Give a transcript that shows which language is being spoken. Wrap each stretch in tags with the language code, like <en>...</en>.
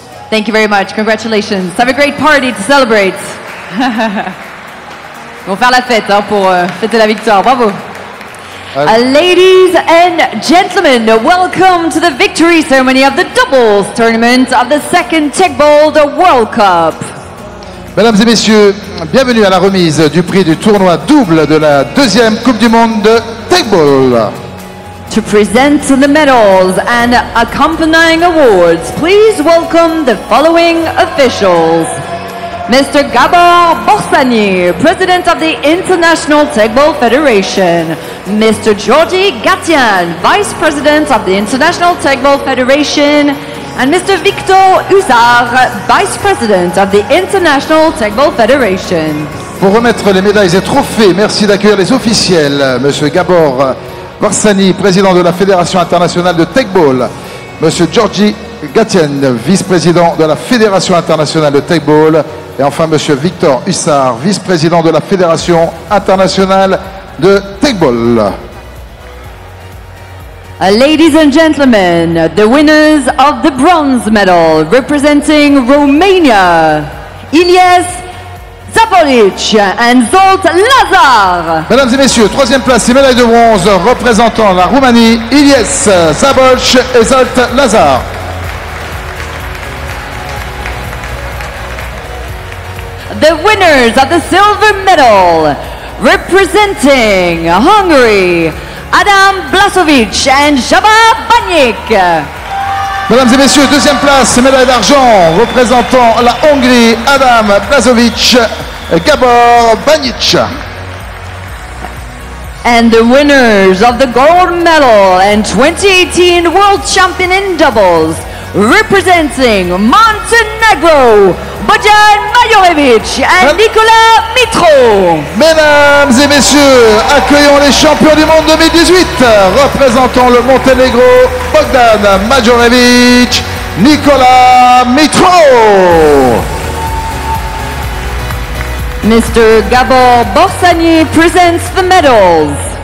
<en>Thank you very much. Congratulations. Have a great party to celebrate.</en> <fr>On va faire la fête hein, pour fêter la victoire. Bravo.</fr> <en>Ladies and gentlemen, welcome to the victory ceremony of the doubles tournament of the second Teqball World Cup.</en> <fr>Mesdames et messieurs, bienvenue à la remise du prix du tournoi double de la deuxième Coupe du monde de Teqball.</fr> <en>To present the medals and accompanying awards, please welcome the following officials. Mr. Gabor Borsani, President of the International Teqball Federation. Mr. Georgi Gatian, Vice President of the International Teqball Federation. And Mr. Victor Uzar, Vice President of the International Teqball Federation.</en> <fr>Pour remettre les médailles et trophées, merci d'accueillir les officiels, Monsieur Gabor Borsani, président de la Fédération internationale de Teqball. Monsieur Georgi Gatien, vice-président de la Fédération internationale de Teqball. Et enfin, monsieur Victor Hussard, vice-président de la Fédération internationale de Teqball.</fr> <en>Ladies and gentlemen, the winners of the bronze medal representing Romania, Ilias Zapolic and Zolt Lazar.</en> <fr>Mesdames et messieurs, troisième place et médaille de bronze représentant la Roumanie, Ilies Zapolic et Zolt Lazar.</fr> <en>The winners of the silver medal representing Hungary, Adam Blasovic and Zsabá Banyik.</en> <fr>Mesdames et messieurs, deuxième place, médaille d'argent, représentant la Hongrie, Adam Blazovic, Gabor Banic.</fr> <en>And the winners of the gold medal and 2018 world champion in doubles, representing Montenegro, Bojan Majorevic and Nikola Mitro.</en> <fr>Mesdames et messieurs, accueillons les champions du monde 2018, représentant le Monténégro, Bogdan Majorevic, Nikola Mitro.</fr> <en>Mr. Gabor Borsani presents the medals.</en>